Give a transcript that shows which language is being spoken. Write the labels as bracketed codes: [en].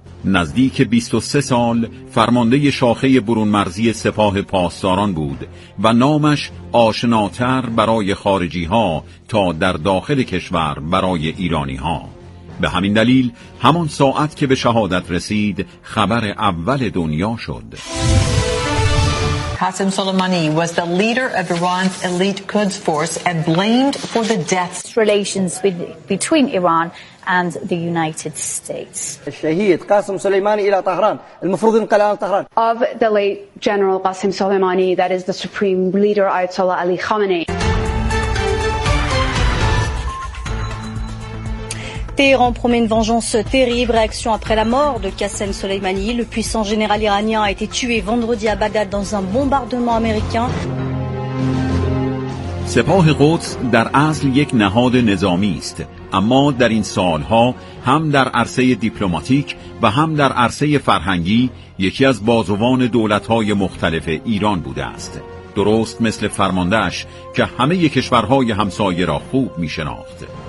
[fa] نزدیک 23 سال فرمانده شاخه برونمرزی سپاه پاسداران بود و نامش آشناتر برای خارجی ها تا در داخل کشور برای ایرانی ها. به همین دلیل همان ساعت که به شهادت رسید خبر اول دنیا شد. [en] Qasem Soleimani was the leader of Iran's elite Quds force and blamed for the deaths. Relations between Iran and the United States. [ar] الشهيد قاسم سليماني الى طهران، المفروض ينقل الى طهران. [en] Of the late General Qasem Soleimani, that is the supreme leader Ayatollah Ali Khamenei. [fr] Téhéran promet une vengeance terrible. Réaction après la mort de Qasem Soleimani. Le puissant général iranien a été tué vendredi à Bagdad dans un bombardement américain. [fa] سپاه قدس در اصل یک نهاد نظامی است، اما در این سالها هم در عرصه دیپلماتیک و هم در عرصه فرهنگی یکی از بازوان دولت‌های مختلف ایران بوده است، درست مثل فرمانده‌اش که همه کشورهای همسایه را خوب می‌شناخت.